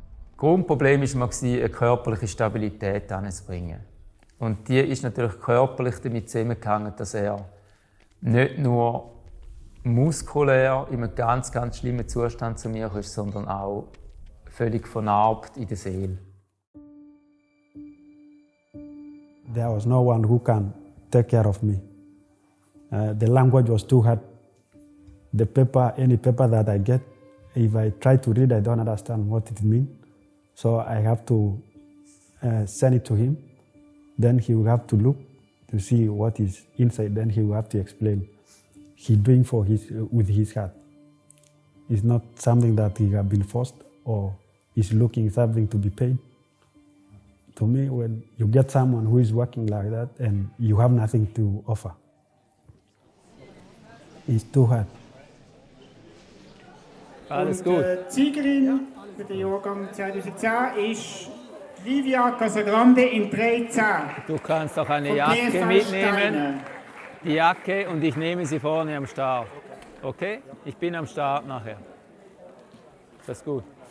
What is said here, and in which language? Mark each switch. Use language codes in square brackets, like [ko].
[de] Das Grundproblem war, eine körperliche Stabilität hinzubringen. Und die ist natürlich körperlich damit zusammengehangen, dass er nicht nur muskulär in einem ganz, ganz schlimmen Zustand zu mir ist, sondern auch völlig vernarbt in der Seele. [en] There was no one who can take care of me. The language was too hard. The paper, any paper that I get, if I try to read, I don't understand what it means. So I have to send it to him. Then he will have to look to see what is inside. Then he will have to explain. He's doing for his with his heart. It's not something that he has been forced or is looking something to be paid. To me, when you get someone who is working like that and you have nothing to offer, it's too hard. [de] Alles gut. Und die Siegerin für den Jahrgang 2010 ist Livia Casagrande in 3.10. Du kannst doch eine Jacke mitnehmen. Die Jacke und ich nehme sie vorne am Start. Okay? Ich bin am Start nachher. Ist das gut?